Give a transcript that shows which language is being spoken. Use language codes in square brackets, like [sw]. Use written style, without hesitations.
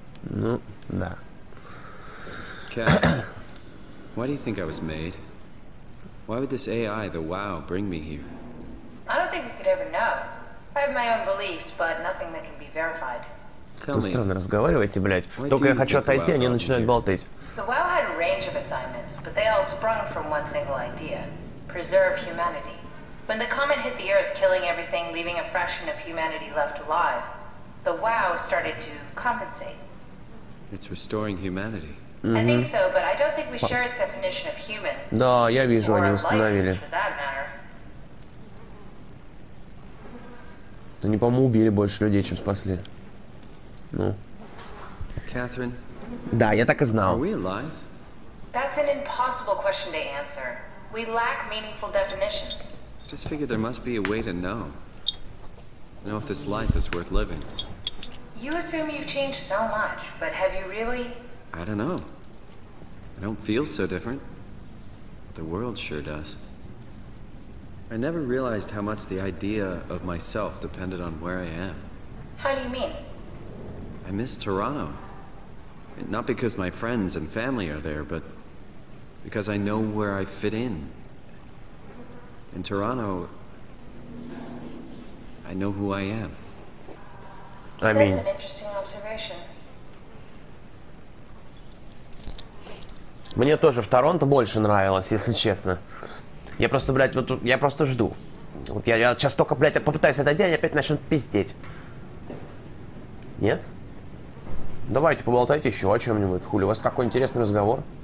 [ru] Ну, да. [en] Cat, why do you think I was made? Why would this AI, the WoW, bring me here? I don't think we could ever know. I have my own beliefs, but nothing that can be verified. [ru] Тут странно разговариваете, блядь. Только я хочу отойти, они начинают болтать. [en] The WoW had a range of assignments, but they all sprung from one single idea. Preserve humanity. When the comet hit the Earth, killing everything, leaving a fraction of humanity left alive, the WoW started to compensate. It's restoring humanity. I think so, but I don't think we share its definition of human. [ru] Да, я вижу, они установили. Они, по-моему, убили больше людей, чем спасли. Ну. [en] Catherine. [ru] Да, я так и знал. [en] Are we alive? That's an impossible question to answer. We lack meaningful definitions. Just figure there must be a way to know. Know if this life is worth living. You assume you've changed so much, but have you really? I don't know. I don't feel so different. But the world sure does. I never realized how much the idea of myself depended on where I am. How do you mean? I miss Toronto. Not because my friends and family are there, but because I know where I fit in. In Toronto, I know who I am. I mean... That's an interesting observation. [ru] Мне тоже в Торонто больше нравилось, если честно. Я просто, блядь, вот тут, я просто жду. Вот я сейчас только, блядь, попытаюсь это делать, опять начнут пиздеть. Нет? Давайте поболтайте еще о чем-нибудь. Хули, у вас такой интересный разговор.